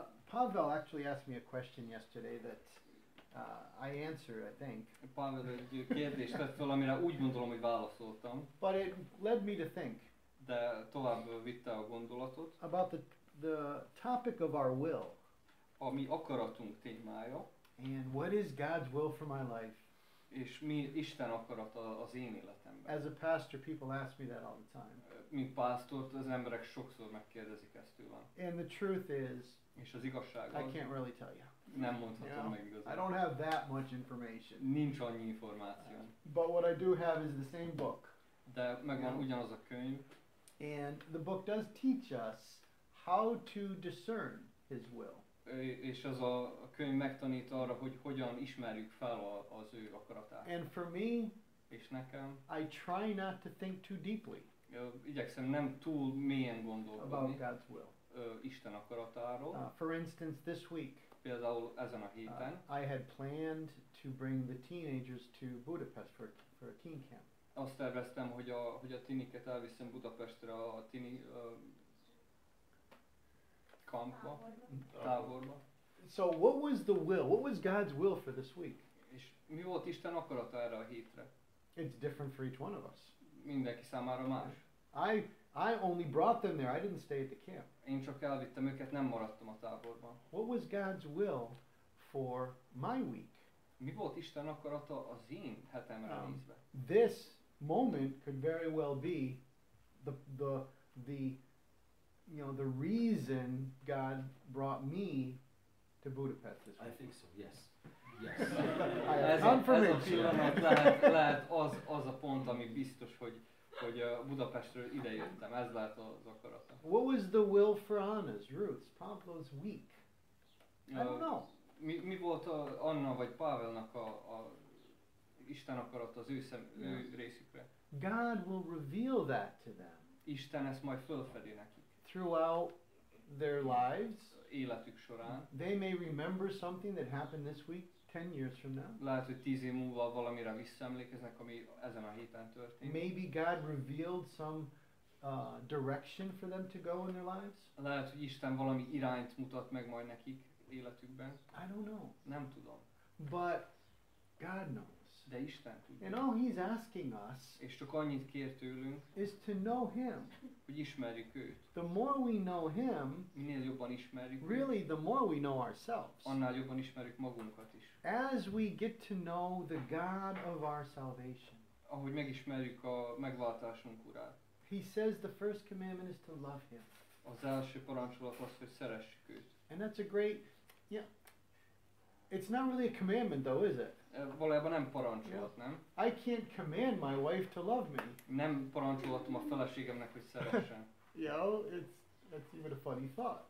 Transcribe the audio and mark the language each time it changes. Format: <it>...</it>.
<en>Pavel actually asked me a question yesterday that I answered, I think.</en> <hu>Pavel egy kérdést tett fel, amire úgy gondolom, hogy válaszoltam.</hu> <en>But it led me to think.</en> <hu>De tovább vitte a gondolatot.</hu> <en>About the topic of our will.</en> <hu>A mi akaratunk témája.</hu> <en>And what is God's will for my life?</en> <hu>És mi Isten akarata az én életemben.</hu> <en>As a pastor, people ask me that all the time.</en> <hu>Mint pásztort, az emberek sokszor megkérdezik ezt tőlem.</hu> <en>And the truth is,</en> <hu>és az igazság</hu> <en>I can't really tell you.</en> <hu>Nem mondhatom meg igazán.</hu> <en>I don't have that much information.</en> <hu>Nincs annyi információ.</hu> <en>But what I do have is the same book.</en> <hu>De megvan ugyanaz a könyv.</hu> <en>And the book does teach us how to discern his will.</en> <hu>És az a könyv megtanít arra, hogy hogyan ismerjük fel az ő akaratát.</hu> <en>And for me,</en> <hu>és nekem,</hu> <en>I try not to think too deeply.</en> <hu>Igyekszem nem túl mélyen gondolkodni.</hu> <en>About God's will.</en> <hu>Isten akaratáról.</hu> <en>For instance, this week,</en> <hu>például ezen a héten,</hu> <en>I had planned to bring the teenagers to Budapest for a teen camp.</en> <hu>Azt terveztem, hogy a tiniket elviszem Budapestre a tini kampba, táborba.</hu> <en>So what was the will? What was God's will for this week?</en> <hu>És mi volt Isten akarata erre a hétre?</hu> <en>It's different for each one of us.</en> <hu>Mindenki számára más.</hu> <en>I only brought them there. I didn't stay at the camp.</en> <hu>Én csak elvittem őket, nem maradtam a táborban.</hu> <en>What was God's will for my week?</en> <hu>Mi volt Isten akarata az én hetemre nézve?</hu> <en>This moment could very well be the reason God brought me to Budapest this week. I think so. Yes. Confirmation.</en> <hu>Lehet az a pont, ami biztos, hogy Budapestről idejöttem, ez lehet az akarata.</hu> <en>What was the will for Anna's roots, Pablo's week? I don't know.</en> <hu>Mi volt Anna vagy Pavelnak a Isten akarata az ő részükre?</hu> <en>God will reveal that to them.</en> <hu>Isten ezt majd fölfedi nekik.</hu> <en>Throughout their lives.</en> <hu>Életük során.</hu> <en>They may remember something that happened this week. 10 years from now.</en> <hu>Lehet, hogy 10 év múlva valamire visszaemlékeznek, ami ezen a héten történt.</hu> <en>Maybe God revealed some direction for them to go in their lives.</en> <hu>Lehet, hogy Isten valami irányt mutat meg majd nekik életükben.</hu> <en>I don't know.</en> <hu>Nem tudom.</hu> <en>But God knows.</en> <hu>De Isten tudja.</hu> <en>And all he's asking us,</en> <hu>és csak annyit kér tőlünk,</hu> <en>is to know him.</en> <hu>Hogy ismerjük őt.</hu> <en>The more we know him,</en> <hu>minél jobban ismerjük őt,</hu> <en>really the more we know ourselves.</en> <hu>Annál jobban ismerjük magunkat is.</hu> <en>As we get to know the God of our salvation.</en> <hu>Ahogy megismerjük a megváltásunk urát.</hu> <en>He says the first commandment is to love him.</en> <hu>Az első parancsolat az, hogy szeressük őt.</hu> <en>And that's a great, it's not really a commandment though, is it?</en> <hu>Valójában nem parancsolat, nem?</hu> <en>I can't command my wife to love me.</en> <hu>Nem parancsolhatom a feleségemnek, hogy szeressen.</hu> <en>That's even a funny thought.</en>